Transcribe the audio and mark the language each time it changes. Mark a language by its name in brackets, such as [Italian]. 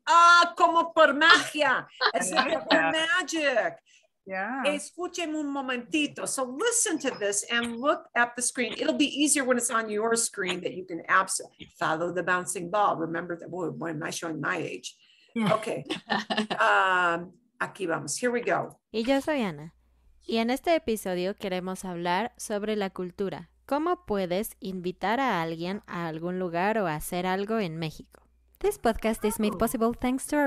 [English] Ah, [Spanish] como por magia. [English] As if it were magic. Yeah. [Spanish] Escuchen un momentito. [English] So listen to this and look at the screen. It'll be easier when it's on your screen that you can absolutely follow the bouncing ball. Remember that, boy, why am I showing my age? Okay. [Spanish] aquí vamos. [English] Here we go. [Spanish] Y yo soy Ana. Y en este episodio queremos hablar sobre la cultura. ¿Cómo puedes invitar a alguien a algún lugar o hacer algo en México? [English] This podcast is made possible thanks to our